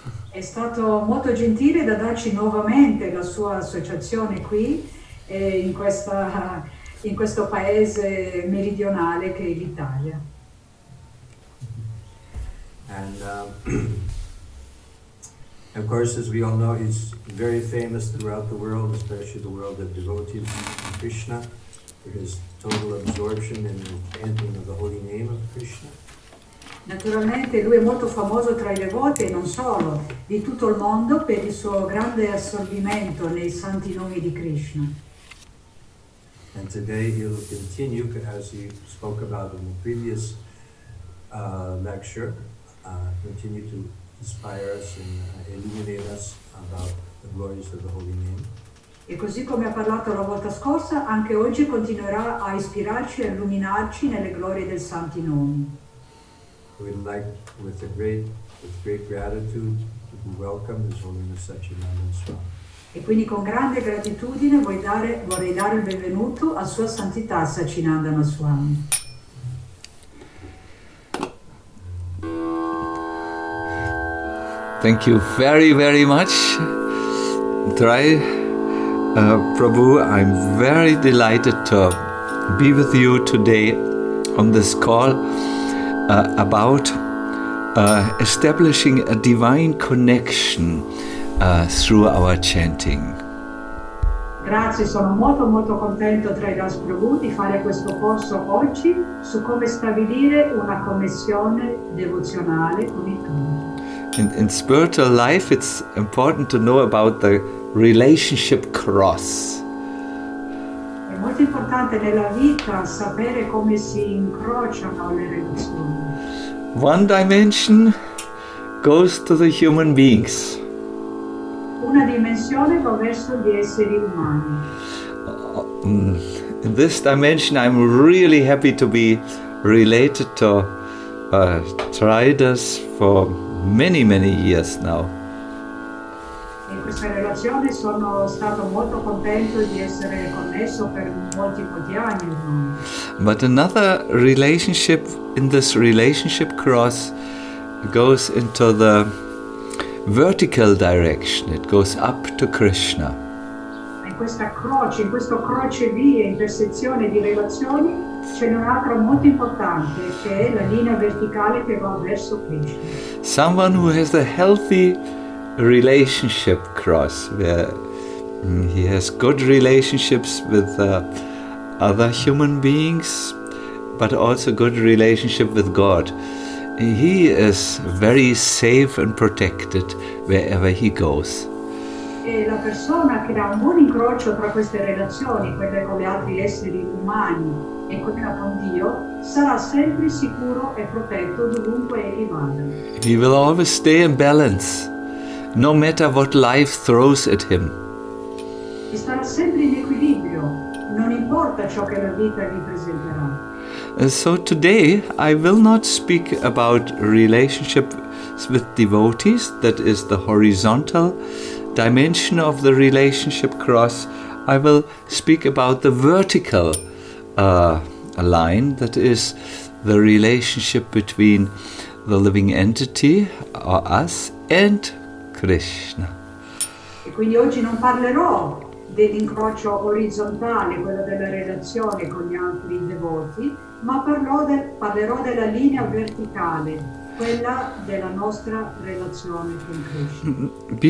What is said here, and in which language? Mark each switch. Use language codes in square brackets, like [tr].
[it] È stato molto gentile da darci nuovamente la sua associazione qui, in questo paese meridionale che è l'Italia. [en] And of course, as we all know, he's very famous throughout the world, especially the world of devotees to Krishna, for his total absorption in the chanting of the holy name of Krishna. [it] Naturalmente lui è molto famoso tra i devoti e non solo, di tutto il mondo per il suo grande assorbimento nei santi nomi di Krishna. [en] And today he'll continue, as he spoke about in the previous lecture, continue to inspire us and illuminate us about the glories of the Holy Name. [it] E così come ha parlato la volta scorsa, anche oggi continuerà a ispirarci e illuminarci nelle glorie del santi nomi. [en] We'd like, with great gratitude, to welcome His Holiness Sacchidananda Swami. [it] E quindi con grande gratitudine vorrei dare il benvenuto a Sua Santità Sacchidananda Swami. [en] Thank you very, very much. Try, Prabhu, I'm very delighted to be with you today on this call. About establishing a divine connection through our chanting. [it] Grazie, sono molto molto contento tra i Das Prabhu di fare questo corso oggi su come stabilire una connessione devozionale con il Krishna. [en] In spiritual life, it's important to know about the relationship cross. [it] È molto importante nella vita sapere come si incrociano le relazioni. [en] One dimension goes to the human beings. [it] Una dimensione va verso gli esseri umani. [en] In this dimension, I'm really happy to be related to Tridas for many, many years now. [it] In questa relazione sono stato molto contento di essere connesso per molti, molti anni. [en] But another relationship in this relationship cross goes into the vertical direction. It goes up to Krishna. [it] In questa croce, in questo croce via, in intersezione di relazioni, c'è un altro molto importante, che è la linea verticale che va verso Krishna. [en] Someone who has a healthy relationship cross, where he has good relationships with other human beings, but also good relationship with God. He is very safe and protected wherever he goes. [it] E la persona che ha un buon incrocio tra queste relazioni, quelle con gli altri esseri umani e quella con Dio, sarà sempre sicuro e protetto dovunque egli vada. [en] He will always stay in balance, no matter what life throws at him. [it] E sarà sempre in equilibrio, non importa ciò che la vita gli presenterà. [en] So today I will not speak about relationship with devotees, that is the horizontal dimension of the relationship cross. I will speak about the vertical line, that is the relationship between the living entity, or us, and Krishna. [it] E quindi oggi non parlerò dell'incrocio orizzontale, quello della relazione con gli altri devoti, ma parlerò della linea verticale, quella della nostra relazione con Krishna.